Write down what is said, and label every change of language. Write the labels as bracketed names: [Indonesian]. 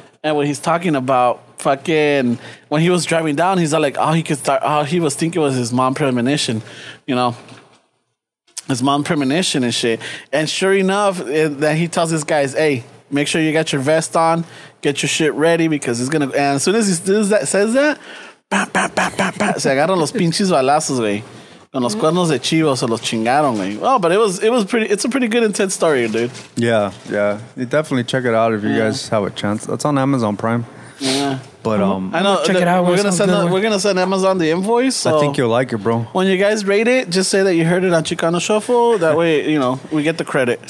[English] And when he's talking about fucking, when he was driving down, he's like, he was thinking was his mom premonition, you know, his mom premonition and shit. And sure enough, then he tells his guys, hey, make sure you got your vest on, get your shit ready because it's going to, and as soon as he says that, bam, bam, bam, bam, bam, [Spanish] se agarran los pinches balazos, güey. Con los cuernos de chivo se los chingaron, man. [English] Oh, but it was pretty. It's a pretty good intense story, dude. Yeah. You definitely check it out if you guys have a chance. That's on Amazon Prime. Yeah. But I know. Check it out. We're gonna send Amazon the invoice. So I think you'll like it, bro. When you guys rate it, just say that you heard it on Chicano Shuffle. That way, you know, we get the credit.